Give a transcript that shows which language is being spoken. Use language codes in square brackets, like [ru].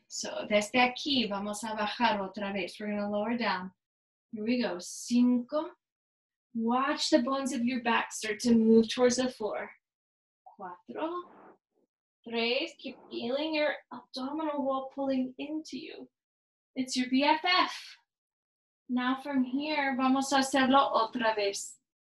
[es] So desde aquí, vamos a bajar otra vez. [en] We're going to lower down. Here we go. [es] Cinco. [en] Watch the bones of your back start to move towards the floor. [es] Cuatro. Tres. [en] Keep feeling your abdominal wall pulling into you. It's your BFF. Now from here, [es] vamos a hacerlo otra vez.